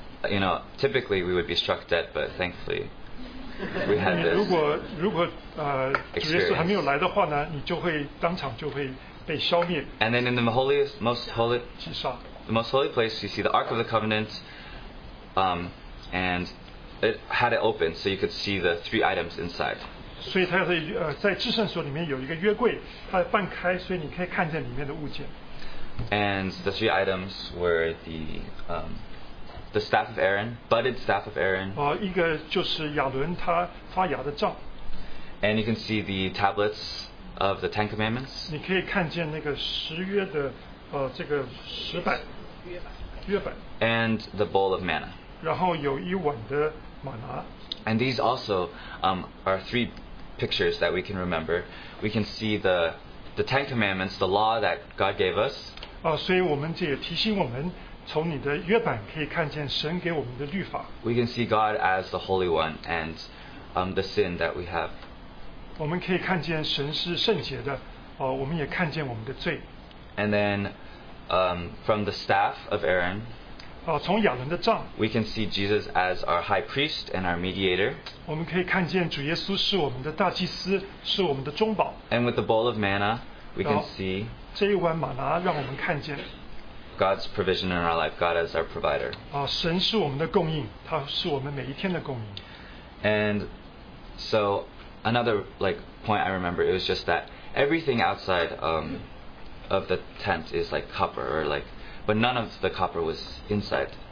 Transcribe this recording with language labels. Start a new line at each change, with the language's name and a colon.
English: you know, typically we would be struck dead, but thankfully we had this.
Chinese: 如果,
English: experience.
Chinese: 你就会当场就会被消灭,
English: and then in the holiest, most holy, the most holy place, you see the Ark of the Covenant, and it had it open so you could see the three items inside.
Chinese: 所以它在, 在至圣所里面有一个约柜, 它半开, 所以你可以看见里面的物件。
English: And the three items were the staff of Aaron, budded staff of Aaron.
Chinese: 一个就是亚伦他发芽的杖。
English: And you can see the tablets of the Ten Commandments.
Chinese: 你可以看见那个十约的, 这个石板, 约板。
English: And the bowl of manna.
Chinese: 然后有一碗的,
English: And these also are three pictures that we can remember. We can see the Ten Commandments, the law that God gave us.
Chinese: 所以我们这也提醒我们从你的约版可以看见神给我们的律法。
English: We can see God as the Holy One and the sin that we have.
Chinese: 我们可以看见神是圣洁的, 我们也看见我们的罪。
English: And then from the staff of Aaron,
Chinese: 从亚伦的杖,
English: we can see Jesus as our high priest and our mediator.
Chinese: 我们可以看见主耶稣是我们的大祭司, 是我们的中保。
English: And with the bowl of manna, we can see
Chinese: 这一碗玛拿让我们看见,
English: God's provision in our life, God as our provider.
Chinese: 神是我们的供应, 祂是我们每一天的供应。
English: And so another like point I remember, it was just that everything outside of the tent is like copper or like, but none of the copper was inside.